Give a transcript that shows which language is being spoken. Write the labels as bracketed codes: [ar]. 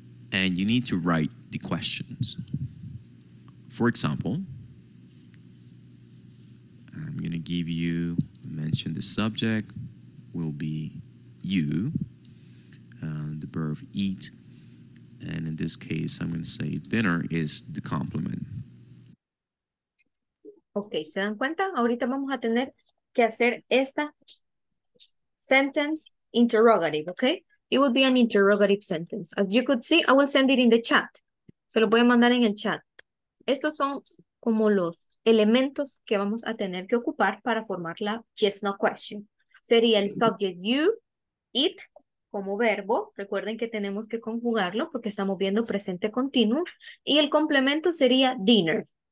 [en] And you need to write the questions. For example, I'm going to give you, mention the subject will be you, the verb eat. And in this case, I'm going to say dinner is the complement. [es] Ok, ¿se dan cuenta? Ahorita vamos a tener que hacer esta [en] sentence interrogative, [es] ¿ok? [en] It would be an interrogative sentence. As you could see, I will send it in the chat. [es] Se lo voy a mandar en el chat. Estos son como los elementos que vamos a tener que ocupar para formar la [en] yes no question. [es] Sería el [en] subject you, [es] it, como verbo, recuerden que tenemos que conjugarlo porque estamos viendo presente continuo, y el complemento sería dinner.